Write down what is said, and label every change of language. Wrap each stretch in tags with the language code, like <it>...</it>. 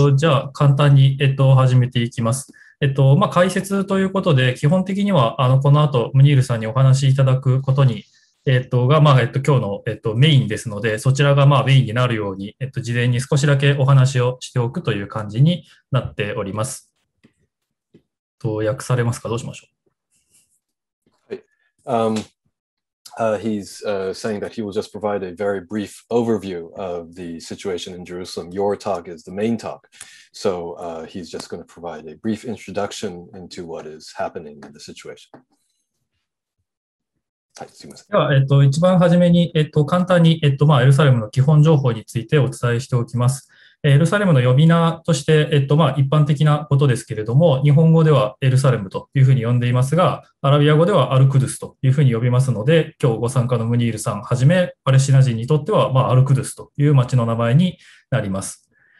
<ja>じゃあ簡単に始めていきます。解説ということで、基本的にはこの後ムニールさんにお話しいただくことに、今日の、メインですので、そちらがメインになるように、事前に少しだけお話をしておくという感じになっております。訳されますか？どうしましょう？はい。</ja> <en>He's saying that he will just provide a very brief overview of the situation in Jerusalem. Your talk is the main talk. So he's just going to provide a brief introduction into what is happening in the situation.</en> <ja>はい、すみません。では、一番初めに、簡単に、エルサレムの基本情報についてお伝えしておきます。エルサレムの呼び名として、一般的なことですけれども、日本語ではエルサレムというふうに呼んでいますが、アラビア語ではアルクドゥスというふうに呼びますので、今日ご参加のムニールさんはじめパレスチナ人にとっては、アルクドゥスという町の名前になります。</ja>